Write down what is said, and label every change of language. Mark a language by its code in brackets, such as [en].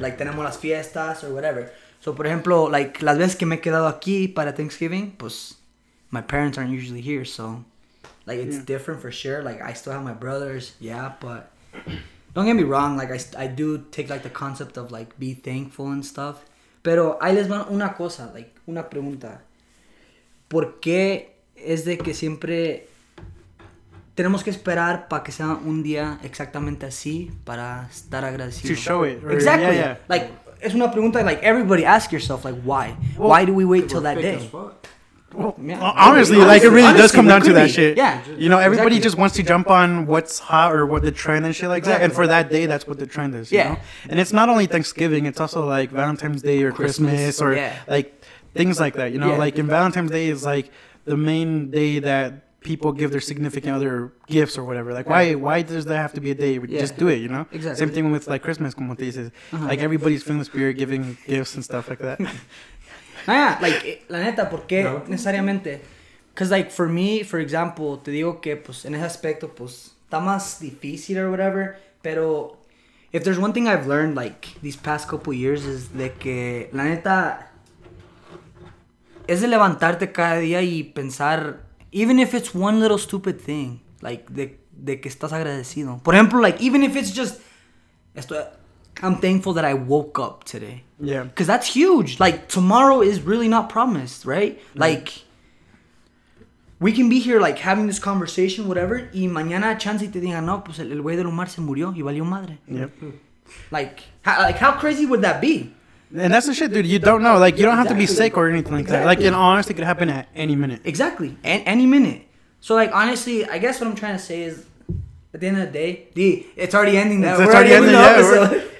[es] Like, tenemos las fiestas [en] or whatever. [es] So, por ejemplo, like, las veces que me he quedado aquí para Thanksgiving, pues, [en] my parents aren't usually here. So, like, it's different for sure. Like, I still have my brothers. Yeah, but don't get me wrong. Like, I do take, like, the concept of, like, be thankful and stuff. [es] Pero ahí les va una cosa. Like, una pregunta. ¿Por qué es de que siempre tenemos que esperar para que sea un día exactamente así para estar agradecido? [en] To show it. Exactly. Yeah, yeah. Like, [es] es una pregunta, [en] like, everybody ask yourself, like, why? Well, why do we wait till that day? Well, yeah, honestly, really, like, it really does come down to that shit. Yeah. You know, everybody just wants to jump on what's hot or what the trend and shit like that. And for that day, that's what the trend is, you know? And it's not only Thanksgiving. It's also, like, Valentine's Day or Christmas or, like, things like that, you know? Like, in Valentine's Day, is like, the main day that people give their significant other gifts or whatever. Like, why does that have to be a day? Just do it, you know? Exactly. Same thing with, like, Christmas, [es] como te dices. [en] Like, everybody's feeling the spirit, giving gifts and stuff like that. [es] Nah, yeah, like, la neta, ¿por qué necesariamente? Because, like, [en] for me, for example, [es] te digo que, pues, en ese aspecto, pues, está más difícil [en] or whatever. Pero if there's one thing I've learned, like, these past couple years is [es] de que, la neta, es de levantarte cada día y pensar, [en] even if it's one little stupid thing, like, [es] de que estás agradecido. Por ejemplo, [en] like, even if it's just, I'm thankful that I woke up today. Yeah. Because that's huge. Like, tomorrow is really not promised, right? Yeah. [es] Like, [en] we can be here, like, having this conversation, whatever, [es] y mañana chance y te digan, no, pues el güey de Omar se murió y valió madre. [en] Yeah. Like, how crazy would that be? And that's the shit, dude. You don't know. Like, you don't have to be sick or anything like that. Like, in all honesty, it could happen at any minute. Exactly. At any minute. So, like, honestly, I guess what I'm trying to say is, at the end of the day, it's already ending now. It's already ending, yeah.